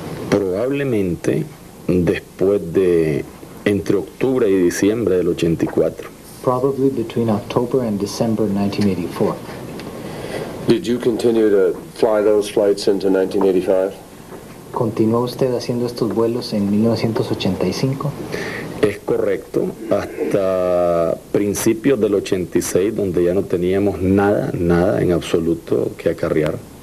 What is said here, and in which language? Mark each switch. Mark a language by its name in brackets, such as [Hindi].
[Spanish] Probablemente después de entre octubre y diciembre del 84. [English] Probably between October and December 1984. Did you continue to fly those flights into 1985? [Spanish] ¿Continuó usted haciendo estos vuelos en 1985? Es correcto, hasta principios del 86, donde ya no teníamos nada, nada en absoluto que acarrear.